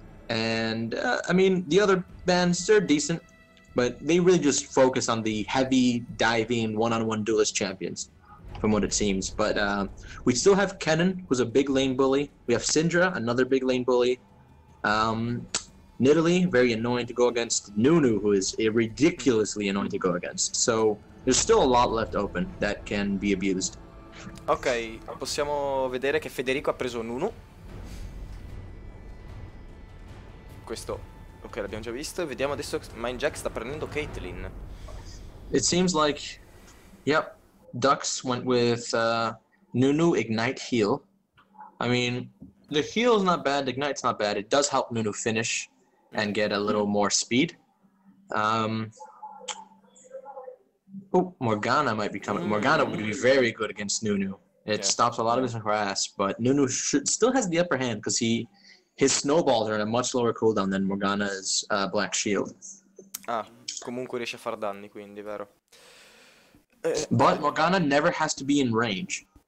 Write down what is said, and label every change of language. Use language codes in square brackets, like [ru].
[en] And I mean, the other bans, they're decent, but they really just focus on the heavy diving one-on-one duelist champions, from what it seems. But we still have Kennen, who's a big lane bully. We have Syndra, another big lane bully. Nidalee, very annoying to go against. Nunu, who is ridiculously annoying to go against. So there's still a lot left open that can be abused. [it] Ok, possiamo vedere che Federico ha preso Nunu. Questo, ok, l'abbiamo già visto. Vediamo adesso. Mindjack sta prendendo Caitlyn. [en] It seems like, yep, Dux went with Nunu Ignite Heal. I mean, the heal's not bad, Ignite's not bad. It does help Nunu finish and get a little more speed. Oh, Morgana might be coming. Morgana would be very good against Nunu. It stops a lot of his harass, but Nunu should still has the upper hand because his snowballs are in a much lower cooldown than Morgana's Black Shield. [it] Ah, comunque riesce a far danni, quindi, vero? [en] But Morgana never has to be in range.